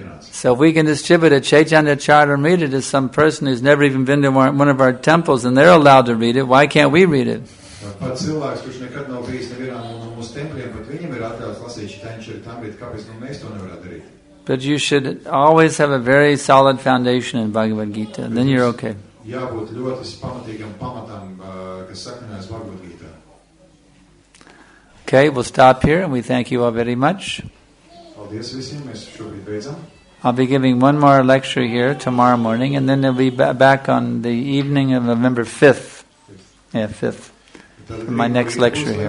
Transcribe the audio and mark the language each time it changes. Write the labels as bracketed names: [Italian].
[English] So if we can distribute a Chaitanya Charitamrita to some person who's never even been to one of our temples and they're allowed to read it, why can't we read it? But you should always have a very solid foundation in Bhagavad Gita, and then you're okay. [Latvian] Jābūt ļoti pamatīgam pamatam, kas sakrinās Bhagavad Gītā. [English] Okay, we'll stop here and we thank you all very much. [Latvian] Paldies visiem, mēs šobrīd beidzam. [English] I'll be giving one more lecture here tomorrow morning and then it'll be back on the evening of November 5th. Fifth. My next lecture here.